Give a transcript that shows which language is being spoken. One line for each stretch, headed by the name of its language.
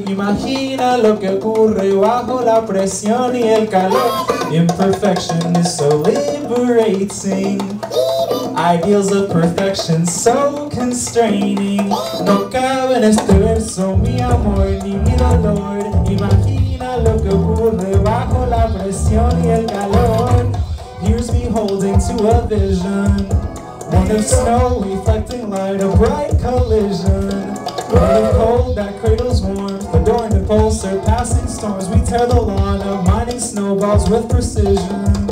Spanish: Imagina lo que ocurre bajo la presión y el calor.
English: Imperfection is so liberating. Ideals of perfection so constraining.
Spanish: No cabe en este verso mi amor ni mi dolor. Imagina lo que ocurre bajo la presión y el calor.
English: Here's me holding to a vision. One of snow reflecting light, a bright collision. One of cold that cradles warmth, adorned the pole, surpassing storms. We tear the lawn of mining snowballs with precision.